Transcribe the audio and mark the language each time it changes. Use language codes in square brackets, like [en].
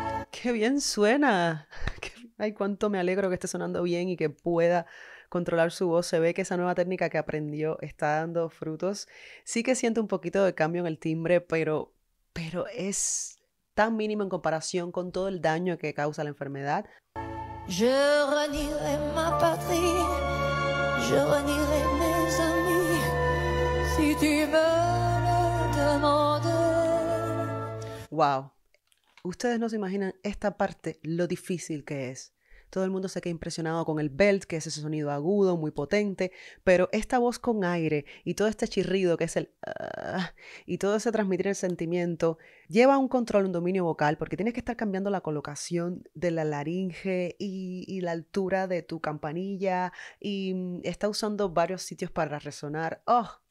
[es] ¡Qué bien suena! ¡Ay, cuánto me alegro que esté sonando bien y que pueda controlar su voz! Se ve que esa nueva técnica que aprendió está dando frutos. Sí que siento un poquito de cambio en el timbre, pero es tan mínimo en comparación con todo el daño que causa la enfermedad. [fr] Je renierai ma patrie, je renierai mes amis, si tu me le demandes. ¡Wow! [es] Ustedes no se imaginan esta parte, lo difícil que es. Todo el mundo se queda impresionado con el belt, que es ese sonido agudo, muy potente, pero esta voz con aire y todo este chirrido, que es el y todo ese transmitir el sentimiento, lleva un control, un dominio vocal, porque tienes que estar cambiando la colocación de la laringe y la altura de tu campanilla, y está usando varios sitios para resonar. ¡Oh!